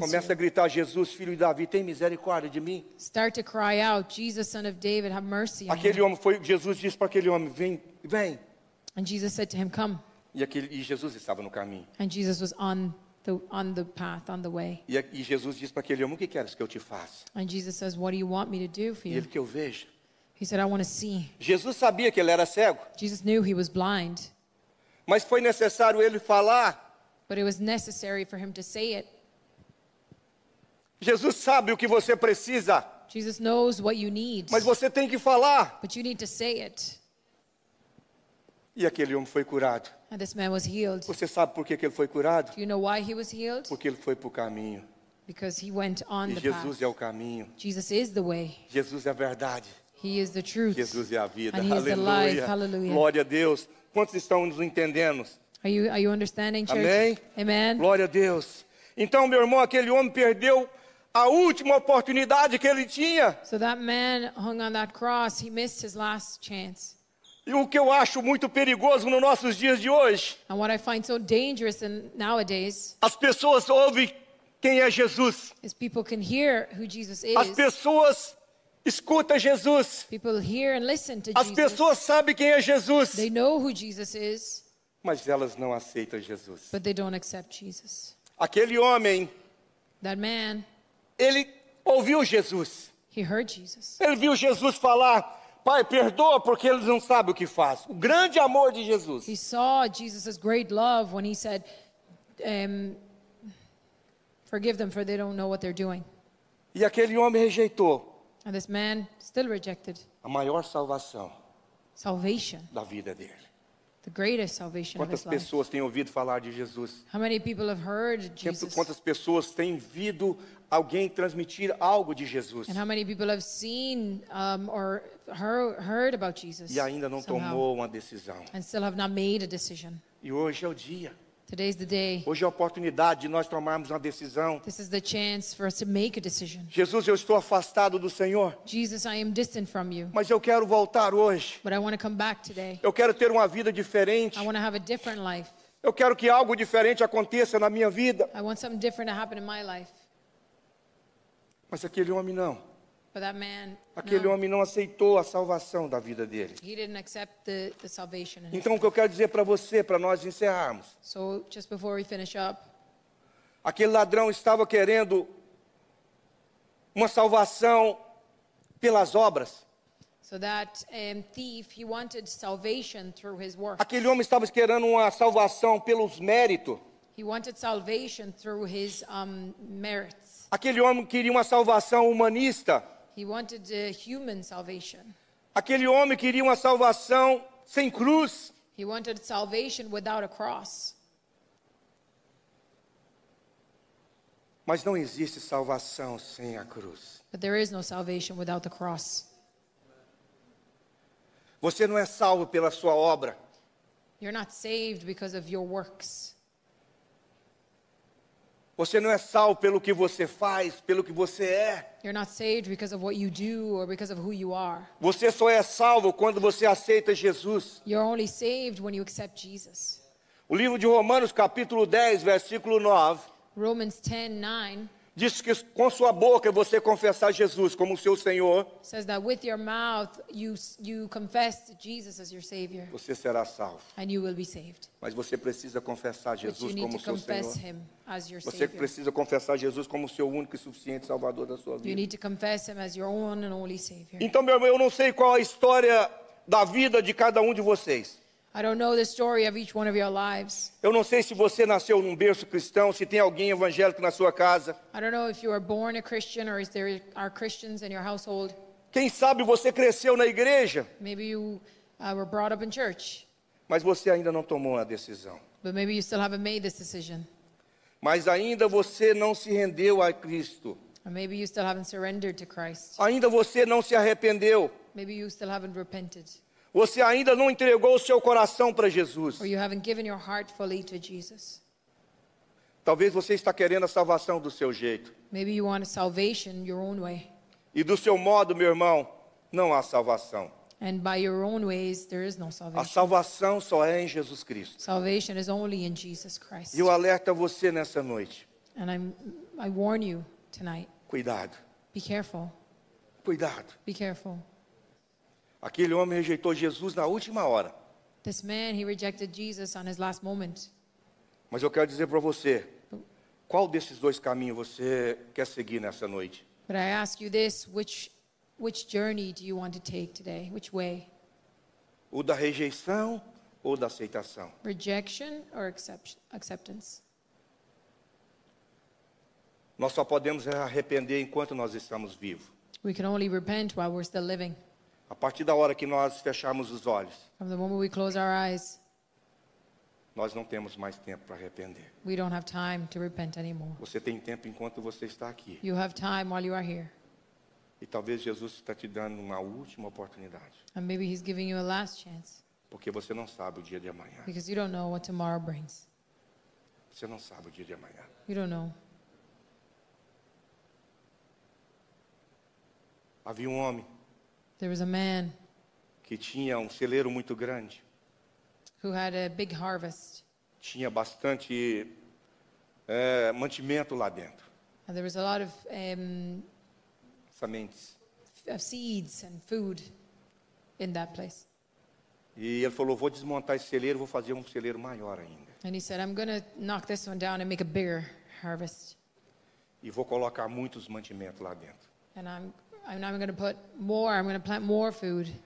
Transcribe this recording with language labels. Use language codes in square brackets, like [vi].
[pt] Começa a gritar: Jesus, filho de Davi, tem misericórdia de mim. [en] Start to cry out, Jesus, son of David, have mercy on [pt] aquele [en] me. [pt] Homem foi, Jesus disse para aquele homem: vem, vem. [en] And Jesus said to him, come. [pt] E Jesus estava no caminho. [en] And Jesus was on on the path, on the way. [pt] E Jesus diz para aquele homem: o que queres que eu te faça? [en] And Jesus says, what do you want me to do for you? [pt] E ele que eu vejo. [en] He said, I want to see. [pt] Jesus sabia que ele era cego. [en] Jesus knew he was blind. [pt] Mas foi necessário ele falar. [en] But it was necessary for him to say it. [pt] Jesus sabe o que você precisa. [en] Jesus knows what you need. [pt] Mas você tem que falar. [en] But you need to say it. [pt] E aquele homem foi curado. [en] And this man was healed. [pt] Você sabe por que ele foi curado? [en] Do you know why he was healed? [pt] Porque ele foi para o caminho. [en] Because he went on the path. [pt] E Jesus é o caminho. [en] Jesus is the way. [pt] Jesus é a verdade. [en] He is the truth. [pt] Jesus é a vida. [en] And [pt] aleluia. [en] He is the life. Hallelujah. [pt] Glória a Deus. Quantos estão nos entendendo? [en] Are you understanding, church? [pt] Amém? [en] Amen. [pt] Glória a Deus. Então, meu irmão, aquele homem perdeu a última oportunidade que ele tinha. [en] So that man hung on that cross, he missed his last chance. [pt] E o que eu acho muito perigoso nos nossos dias de hoje? [en] And what I find so dangerous in nowadays? [pt] As pessoas ouvem quem é Jesus. [en] Is people can hear who Jesus is. [pt] As pessoas escuta Jesus. [en] People hear and listen to [pt] As [en] Jesus. [pt] Pessoas sabem quem é Jesus. [en] They know who Jesus is. [pt] Mas elas não aceitam Jesus. [en] But they don't accept Jesus. [pt] Aquele homem. [en] That man. [pt] Ele ouviu Jesus. [en] He heard Jesus. [pt] Ele viu Jesus falar: Pai, perdoa porque eles não sabem o que faz. O grande amor de Jesus. [en] He saw Jesus' great love when he said, forgive them for they don't know what they're doing. [pt] E aquele homem rejeitou. [en] And this man still rejected [pt] a maior salvação [en] salvation [pt] da vida dele. [en] The greatest salvation [pt] quantas Quantas pessoas têm ouvido falar de Jesus? [en] How many people have heard Jesus? [pt] Quantas pessoas têm ouvido alguém transmitir algo de Jesus? [en] And how many people have seen or heard about Jesus? [pt] E ainda não tomou uma decisão. [en] And still have not made a decision. [pt] E hoje é o dia. [en] Today's the day. [pt] Hoje é a oportunidade de nós tomarmos uma decisão. [en] This is the chance for us to make a decision. [pt] Jesus, eu estou afastado do Senhor. [en] Jesus, I am distant from you. [pt] Mas eu quero voltar hoje. [en] But I want to come back today. [pt] Eu quero ter uma vida diferente. [en] I want to have a different life. [pt] Eu quero que algo diferente aconteça na minha vida. [en] I want something different to happen in my life. [pt] Mas aquele homem não. [en] But that man, [pt] aquele homem não aceitou a salvação da vida dele. [en] He didn't accept the salvation. [pt] Então, o que eu quero dizer para você, para nós encerrarmos. [en] So, just before we finish up, [pt] aquele ladrão estava querendo uma salvação pelas obras. [en] So that, thief, he wanted salvation through his works. [pt] Aquele homem estava querendo uma salvação pelos méritos. [en] He wanted salvation through his, merits. [pt] Aquele homem queria uma salvação humanista. [en] He wanted a human salvation. [pt] Aquele homem queria uma salvação sem cruz. [en] He wanted salvation without a cross. [pt] Mas não existe salvação sem a cruz. [en] But there is no salvation without the cross. [pt] Você não é salvo pela sua obra. [en] You're not saved because of your works. [pt] Você não é salvo pelo que você faz, pelo que você é. [en] You're not saved because of what you do or because of who you are. [pt] Você só é salvo quando você aceita Jesus. [en] You're only saved when you accept Jesus. [pt] O livro de Romanos, capítulo 10, versículo 9. [en] Romans 10, 9. [pt] Diz que com sua boca você confessar Jesus como seu Senhor. [en] Says that with your mouth you confess Jesus as your Savior. [pt] Você será salvo. [en] And you will be saved. [pt] Mas você precisa confessar Jesus como seu Senhor. [en] But you need to confess Him as your Savior. [pt] Você precisa confessar Jesus como seu único e suficiente Salvador da sua vida. [en] You need to confess Him as your own and only Savior. [pt] Então, meu irmão, eu não sei qual a história da vida de cada de vocês. [en] I don't know the story of each one of your lives. [pt] Eu não sei se você nasceu num berço cristão, se tem alguém evangélico na sua casa. [en] I don't know if you were born a Christian or if there are Christians in your household. [pt] Quem sabe você cresceu na igreja? [en] Maybe you were brought up in church. [pt] Mas você ainda não tomou a decisão. [en] But maybe you still haven't made this decision. [pt] Mas ainda você não se rendeu a Cristo. [en] Or maybe you still haven't surrendered to Christ. [pt] Ainda você não se arrependeu. [en] Maybe you still haven't repented. [pt] Você ainda não entregou o seu coração para Jesus. [en] Or you haven't given your heart fully to Jesus. [pt] Talvez você está querendo a salvação do seu jeito. [en] Maybe you want a salvation your own way. [pt] E do seu modo, meu irmão, não há salvação. [en] And by your own ways, there is no salvation. [pt] A salvação só é em Jesus Cristo. [en] Salvation is only in Jesus Christ. [pt] E eu alerto você nessa noite. [en] And I warn you tonight. [pt] Cuidado. [en] Be careful. [pt] Cuidado. [en] Be careful. [pt] Aquele homem rejeitou Jesus na última hora. [en] This man, he rejected Jesus on his last moment. [pt] Mas eu quero dizer para você. Qual desses dois caminhos você quer seguir nessa noite? [en] But I ask you this, which journey do you want to take today? Which way? [pt] O da rejeição ou da aceitação? [en] Rejection or acceptance? [pt] Nós só podemos arrepender enquanto nós estamos vivos. [en] We can only repent while we're still living. [pt] A partir da hora que nós fecharmos os olhos, [en] from the moment we close our eyes, [pt] nós não temos mais tempo para arrepender. [en] We don't have time to repent anymore. [pt] Você tem tempo enquanto você está aqui. [en] You have time while you are here. [pt] E talvez Jesus está te dando uma última oportunidade. [en] And maybe he's giving you a last chance. [pt] Porque você não sabe o dia de amanhã. [en] Because you don't know what tomorrow brings. [pt] Você não sabe o dia de amanhã. [en] You don't know. [pt] Havia um homem. [en] There was a man. [pt] Que tinha um celeiro muito grande. [en] Who had a big harvest. [pt] Tinha bastante mantimento lá dentro. [en] And there was a lot of [pt] sementes. [en] Seeds and food in that place. [pt] E ele falou, vou desmontar esse celeiro, vou fazer um celeiro maior ainda. [en] And he said, I'm going to knock this one down and make a bigger harvest. [pt] E vou colocar muitos mantimentos lá dentro. [en] And I'm going to put more, I'm going to plant more food.